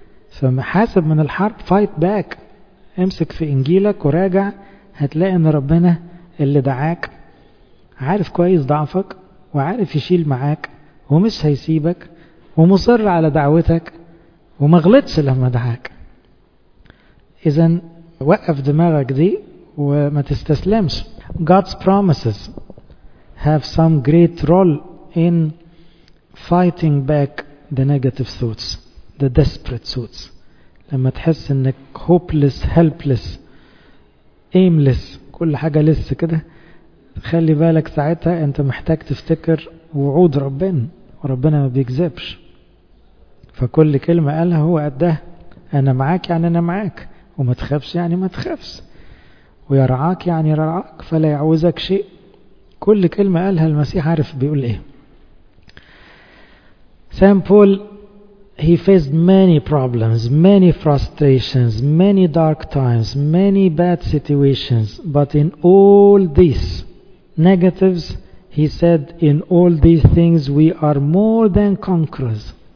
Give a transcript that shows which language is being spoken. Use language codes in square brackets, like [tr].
[ar] فمحاسب من الحرب [en] fight back [ar] امسك في انجيلك وراجع هتلاقي ان ربنا اللي دعاك عارف كويس ضعفك وعارف يشيل معاك ومش هيسيبك ومصر على دعوتك ومغلطش لما دعاك. اذا وقف دماغك دي وما تستسلمش. [en] God's promises have some great role in fighting back the negative thoughts, the desperate thoughts. [ar] لما تحس انك [en] hopeless, helpless, aimless, [ar] كل حاجة لسه كده خلي بالك ساعتها انت محتاج تفتكر وعود ربنا وربنا ما بيكذبش. فكل كلمة قالها هو قدها. انا معاك يعني انا معاك وما تخافش يعني ما تخافش ويرعاك يعني رعاك فلا يعوزك شيء. كل كلمة قالها المسيح عارف بيقول ايه. [en] Saint Paul he faced many problems, many frustrations, many dark times, many bad situations, but in all these negatives he said in all these things we are more than conquerors.